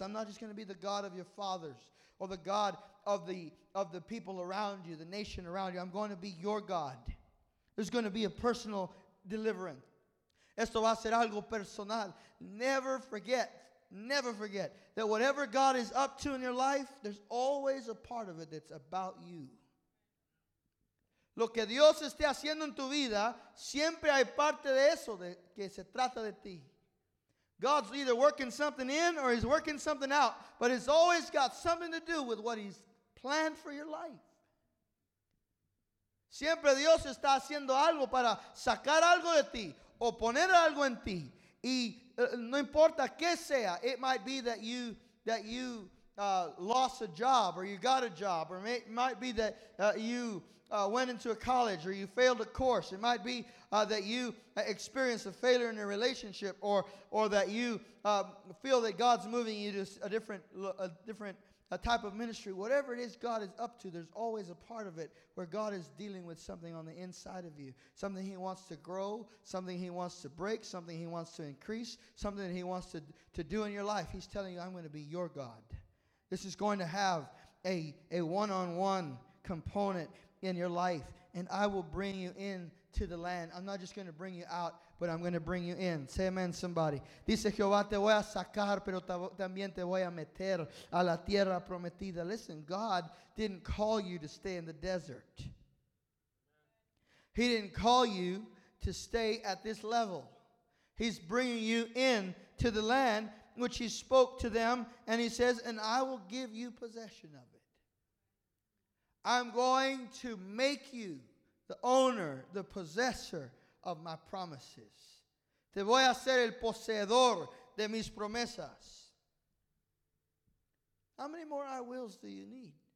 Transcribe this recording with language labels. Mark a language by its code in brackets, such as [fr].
[en] I'm not just going to be the God of your fathers. Or the God of the people around you, the nation around you. I'm going to be your God. There's going to be a personal deliverance. [es] Esto va a ser algo personal. [en] Never forget that whatever God is up to in your life, there's always a part of it that's about you. [es] Lo que Dios esté haciendo en tu vida, siempre hay parte de eso de que se trata de ti. [en] God's either working something in or he's working something out. But it's always got something to do with what he's planned for your life. [es] Siempre Dios está haciendo algo para sacar algo de ti o poner algo en ti. Y no importa qué sea. [en] It might be that you lost a job or you got a job. Or it might be that went into a college or you failed a course. It might be that you experienced a failure in a relationship or that you feel that God's moving you to a different type of ministry. Whatever it is God is up to, there's always a part of it where God is dealing with something on the inside of you, something he wants to grow, something he wants to break, something he wants to increase, something he wants to do in your life. He's telling you, I'm going to be your God. This is going to have a one-on-one component in your life, and I will bring you in to the land. I'm not just going to bring you out, but I'm going to bring you in. Say amen, somebody. [es] Dice Jehová, te voy a sacar, pero también te voy a meter a la tierra prometida. [en] Listen, God didn't call you to stay in the desert. He didn't call you to stay at this level. He's bringing you in to the land, which he spoke to them, and he says, and I will give you possession of it. I'm going to make you the owner, the possessor of my promises. [es] Te voy a hacer el poseedor de mis promesas. [en] How many more I wills do you need?